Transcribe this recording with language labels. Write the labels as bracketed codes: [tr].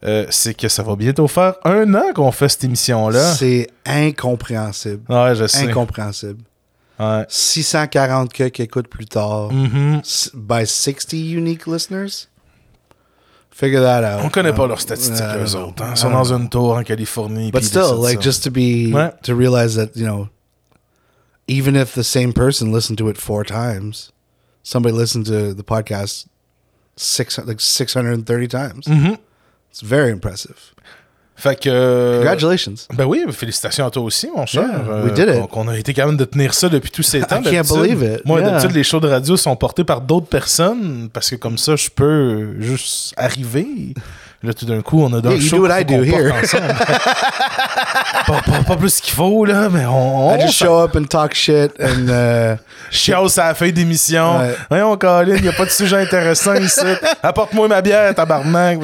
[fr] C'est que ça va bientôt faire 1 an qu'on fait cette émission-là. C'est incompréhensible. Ouais, je sais. Incompréhensible. Ouais. 640 qui écoutent plus tard. Mm-hmm. [en] By 60 unique listeners. Figure that out. [fr] On connaît pas leurs statistiques, eux autres. Ils sont dans une tour en Californie. [en] But still, like, just to be, to realize that, you know, even if the same person listened to it 4 times, somebody listened to the podcast 630 times. Mm-hmm. It's very impressive. [fr] Fait que... [en] Congratulations. [fr] Ben oui, félicitations à toi aussi, mon cher. [en] Yeah, we did it. [fr] On a été capable de tenir ça depuis tous ces temps. [en] I can't believe it. [fr] Moi, [en] yeah. [fr] D'habitude, les shows de radio sont portés par d'autres personnes, parce que comme ça, je peux juste arriver. Là, tout d'un coup, on a d'autres shows qu'on [en] do here. [fr] Ensemble. pas plus qu'il faut, là, mais on [en] I just show up and talk shit and... [fr] Chiao, c'est la feuille d'émission. Ouais. Voyons, Colin, y a pas de sujet intéressant ici. Apporte-moi ma bière, tabarnak.